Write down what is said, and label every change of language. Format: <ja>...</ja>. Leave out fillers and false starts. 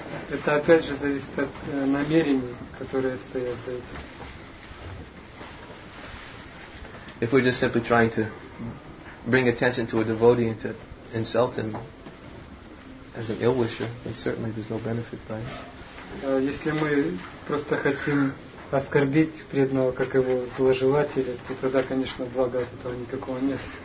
<ru>Это опять же зависит от намерений, которые стоят за этим.</ru> <en>If we're just simply trying to bring attention to a devotee and to insult him as an ill-wisher, then certainly there's no benefit by it.</en> <ru>Если мы просто хотим оскорбить преданного как его зложелателя, то тогда, конечно, блага от этого никакого нет.</ru>